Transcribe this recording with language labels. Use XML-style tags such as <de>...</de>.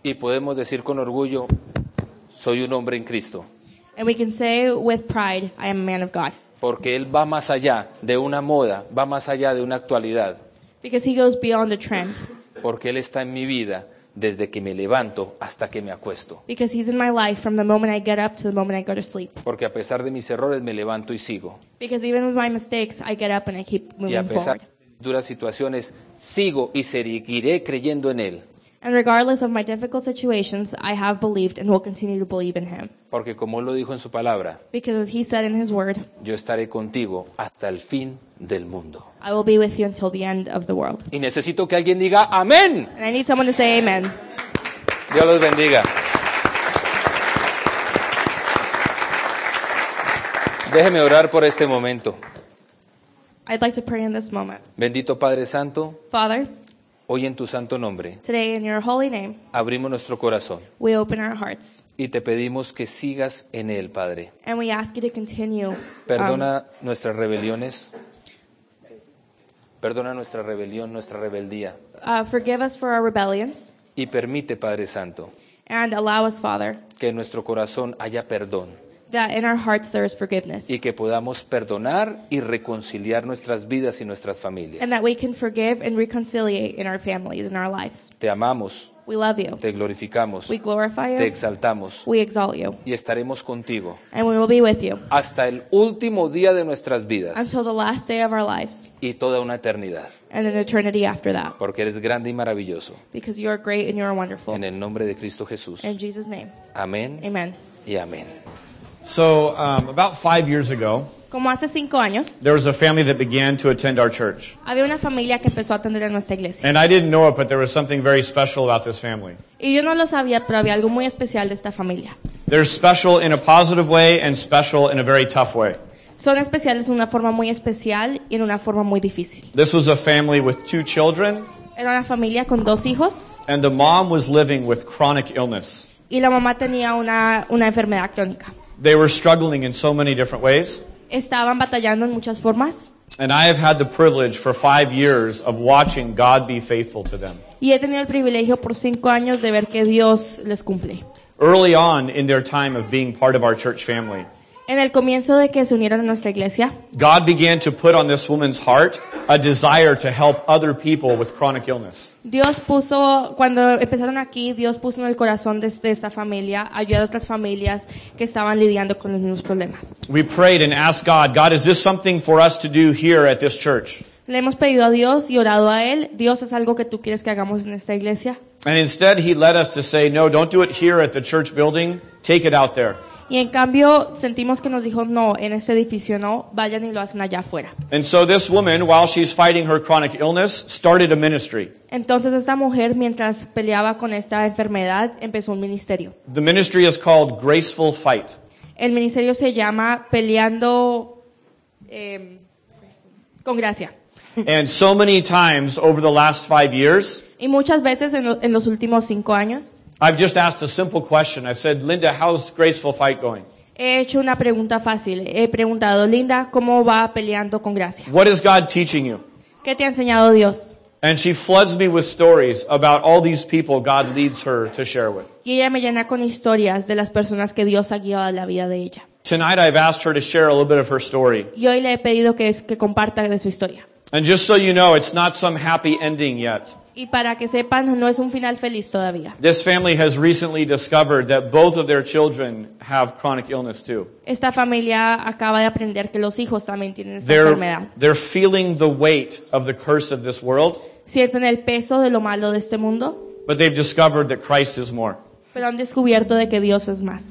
<es>Y podemos decir con orgullo, soy un hombre en Cristo.</es> <en>And we can say with pride, I am a man of God.</en> <es>Porque él va más allá de una moda, va más allá de una actualidad.</es> <en>Because he goes beyond the trend.</en> <es>Porque él está en mi vida desde que me levanto hasta que me acuesto.</es> <en>Because he's in my life from the moment I get up to the moment I go to sleep.</en> <es>Porque a pesar de mis errores me levanto y sigo.</es> <en>Because even with my mistakes I get up and I keep moving forward.</en> <es>Y a pesar de duras situaciones sigo y seguiré creyendo en él.</es> <en>And regardless of my difficult situations, I have believed and will continue to believe in him.</en> <es>Porque como lo dijo en su palabra,</es> <en>because as he said in his word,</en> <es>yo estaré contigo hasta el fin del mundo.</es> <en>I will be with you until the end of the world.</en> <es>Y necesito que alguien diga amén.</es> <en>And I need someone to say amen.</en> <es>Dios los bendiga. Déjeme orar por este momento.</es> <en>I'd like to pray in this moment.</en> <es>Bendito Padre Santo.</es> <en>Father.</en> <es>Hoy en tu santo nombre.</es> <en>Today in your holy name.</en> <es>Abrimos nuestro corazón.</es> <en>We open our hearts.</en> <es>Y te pedimos que sigas en él, Padre.</es> <en>And we ask you to continue.</en> <es>Perdona nuestras rebeliones. Perdona nuestra rebelión, nuestra rebeldía.</es> <en>Forgive us for our rebellions.</en> <es>Y permite, Padre Santo.</es> <en>And allow us, Father.</en> <es>Que en nuestro corazón haya perdón.</es> <en>That in our hearts there is forgiveness.</en> <es>Y que podamos perdonar y reconciliar nuestras vidas y nuestras familias.</es> <en>And that we can forgive and reconciliate in our families and our lives.</en> <es>Te amamos.</es> <en>We love you.</en> <es>Te glorificamos.</es> <en>We glorify you.</en> <es>Te exaltamos.</es> <en>We exalt you.</en> <es>Y estaremos contigo.</es> <en>And we will be with you.</en> <es>Hasta el último día de nuestras vidas.</es> <en>Until the last day of our lives.</en> <es>Y toda una eternidad.</es> <en>And an eternity after that.</en> <es>Porque eres grande y maravilloso.</es> <en>Because you are great and you are wonderful.</en> <es>En el nombre de Cristo Jesús.</es> <en>In Jesus' name.</en> <es>Amén.</es> <en>Amen.</en> <es>Y amén.</es> <en>So about 5 years ago,</en> <es>como hace cinco años,</es> <en>there was a family that began to attend our church.</en> <es>Había una familia que empezó a atender a nuestra iglesia.</es> <en>And I didn't know it, but there was something very special about this family.</en> <es>Y yo no lo sabía, pero había algo muy especial de esta familia.</es> <en>They're special in a positive way and special in a very tough way.</en> <es>Son especiales en una forma muy especial y en una forma muy difícil.</es> <en>This was a family with two children.</en> <es>Era una familia con dos hijos.</es> <en>And the mom was living with chronic illness.</en> <es>Y la mamá tenía una enfermedad crónica.</es> <en>They were struggling in so many different ways.</en> <es>Estaban batallando en muchas formas.</es> <en>And I have had the privilege for 5 years of watching God be faithful to them.</en> <es>Y he tenido el privilegio por cinco años de ver que Dios les cumple.</es> <en>Early on in their time of being part of our church family.</en> <es>En el comienzo de que se unieron a nuestra iglesia.</es> <en>God began to put on this woman's heart a desire to help other people with chronic illness.</en> <es>Dios puso, cuando empezaron aquí, Dios puso en el corazón de esta familia ayudar a otras familias que estaban lidiando con los mismos problemas.</es> <en>We prayed and asked God, God, is this something for us to do here at this church?</en> <es>Le hemos pedido a Dios y orado a Él, Dios, ¿es algo que tú quieres que hagamos en esta iglesia?</es> <en>And instead he led us to say, no, don't do it here at the church building, take it out there.</en> <es>Y en cambio, sentimos que nos dijo, no, en este edificio no, vayan y lo hacen allá afuera.</es> <en>And so this woman, while she's fighting her chronic illness, started a ministry.</en> <es>Entonces esta mujer, mientras peleaba con esta enfermedad, empezó un ministerio.</es> <en>The ministry is called Graceful Fight.</en> <es>El ministerio se llama Peleando con Gracia.</es> <en>And so many times over the last 5 years,</en> <es>y muchas veces en los últimos cinco años,</es> <en>I've just asked a simple question. I've said, Linda, how's Graceful Fight going?</en> <es>He hecho una pregunta fácil. He preguntado, Linda, ¿cómo va peleando con gracia?</es> <en>What is God teaching you?</en> <es>¿Qué te ha enseñado Dios?</es> <en>And she floods me with stories about all these people God leads her to share with.</en> <es>Y ella me llena con historias de las personas que Dios ha guiado a la vida de ella.</es> <en>Tonight I've asked her to share a little bit of her story.</en> <es>Y hoy le he pedido que comparta de su historia.</es> <en>And just so you know, it's not some happy ending yet.</en> <es>Y para que sepan, no es un final feliz todavía.</es> <en>This family has recently discovered that both of their children have chronic illness too.</en> <es>Esta familia acaba de aprender que los hijos también tienen esta enfermedad.</es> <en>They're feeling the weight of the curse of this world.</en> <es>Sienten el peso de lo malo de este mundo.</es> <en>But they've discovered that Christ is more.</en> <es>Pero han descubierto de que Dios es más.</es>